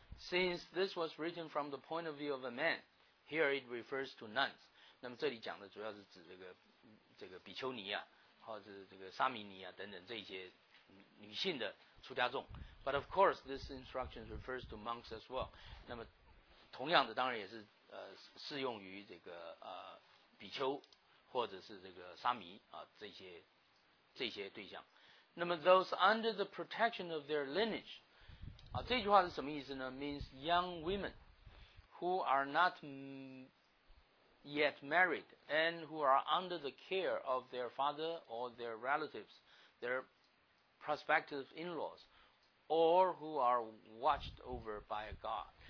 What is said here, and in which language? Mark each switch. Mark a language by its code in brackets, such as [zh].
[en] Since this was written from the point of view of a man, here it refers to nuns. [zh] 那么这里讲的主要是指这个比丘尼啊，或者这个沙弥尼啊等等这些女性的出家众。 [en] But of course, this instruction refers to monks as well. [zh] 那么同样的，当然也是适用于这个比丘或者是这个沙弥啊这些对象。那么 [en] those under the protection of their lineage。 [zh] 啊，这句话是什么意思呢 [en] ？Means young women who are not yet married and who are under the care of their father or their relatives, their prospective in-laws, or who are watched over by a god.